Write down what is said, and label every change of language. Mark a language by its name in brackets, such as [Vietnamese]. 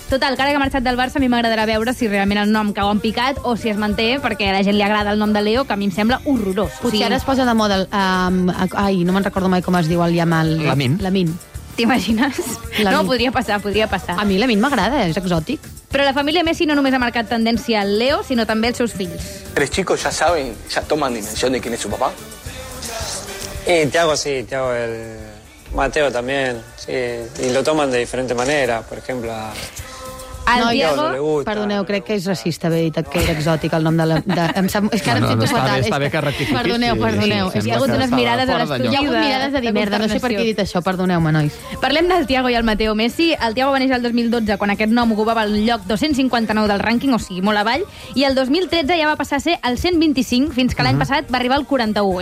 [Catalan] Total, que ara que ha marxat del Barça, a mi m'agradarà veure si realment el nom cau en picat o si es manté, perquè a la gent li agrada el nom de Leo, que a mi em sembla horrorós. Potser ara es posa de moda no me'n recordo mai com es diu el Yamal. Lamin. T'imagines? No, podria passar. A mi Lamin m'agrada, és exòtic. Però la família Messi no només ha marcat tendència al Leo, sinó també als seus fills. [Spanish] Tres chicos ya saben, ya toman dimensión de quién es su papá. Thiago sí, Thiago el... Mateo también, sí. Y lo toman de diferente manera, por ejemplo... [Catalan] Perdoneu, crec que és racista haver dit que era exòtic el nom de la... Està bé que rectifiquis. Perdoneu. Sí, hi ha hagut unes mirades a l'estudi. Hi ha hagut mirades de dir merda, no sé per què he dit això, perdoneu-me, nois. Parlem del Thiago i el Mateo Messi. El Thiago va néixer el 2012, quan aquest nom ocupava el lloc 259 del rànquing, o sigui, molt avall, i el 2013 ja va passar a ser el 125, fins que l'any passat va arribar al 41.